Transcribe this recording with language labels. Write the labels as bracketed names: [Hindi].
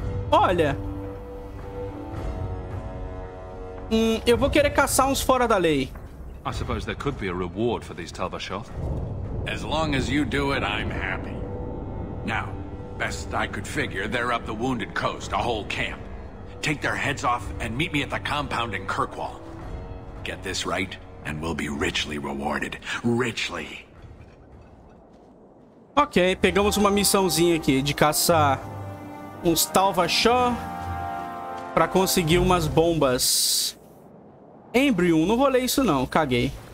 [Portuguese] Olha, eu vou querer caçar uns fora da lei. [English] I suppose there could be a reward for these Talvashoth. As long as you do it, I'm happy. Now, best I could figure, they're up the wounded coast, a whole camp. Take their heads off and meet me at the compound in Kirkwall. Get this right, and we'll be richly rewarded. Richly. [Portuguese] Ok, pegamos uma missãozinha aqui de caçar uns Talvashoth para conseguir umas bombas. Embryon, não vou ler isso não, caguei.